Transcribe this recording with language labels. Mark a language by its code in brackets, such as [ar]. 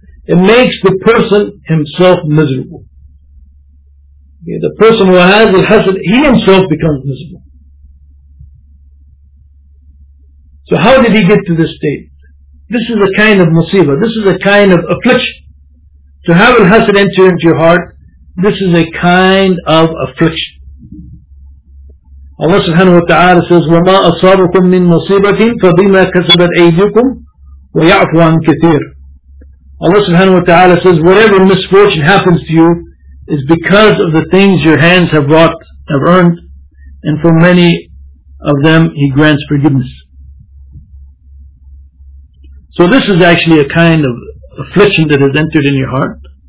[en] It makes the person himself miserable. Okay, the person who has al-hasad, he himself becomes miserable. So how did he get to this state? This is a kind of musibah. This is a kind of affliction. To have al-hasad enter into your heart, this is a kind of affliction. Allah subhanahu wa ta'ala says, [ar] وَمَا أَصَابَكُم مِّن مُصِيبَةٍ فَبِمَا كَسَبَتْ أَيْدِيكُمْ وَيَعْفُوا عَن كَثِيرٍ. [en] Allah subhanahu wa ta'ala says, whatever misfortune happens to you is because of the things your hands have wrought, have earned, and for many of them He grants forgiveness. So this is actually a kind of affliction that has entered in your heart.